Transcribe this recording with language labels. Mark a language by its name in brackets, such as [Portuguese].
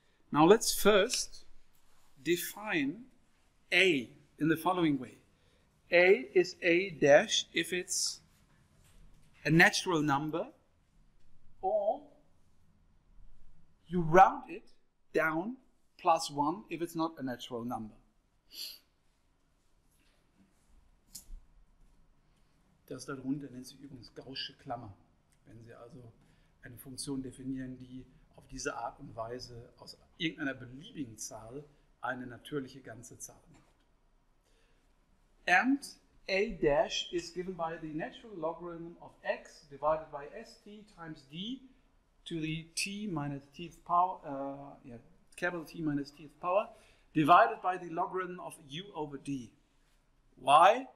[English] Now let's first define A in the following way. A is A dash if it's a natural number, or you round it down plus 1 if it's not a natural number. [German] Das darunter nennt sich übrigens Gaußsche Klammer, wenn Sie also eine Funktion definieren, die auf diese Art und Weise aus irgendeiner beliebigen Zahl eine natürliche ganze Zahl macht. [English] And A dash is given by the natural logarithm of x divided by st times d to the t minus t's power, capital T minus t's power, divided by the logarithm of u over d. Why?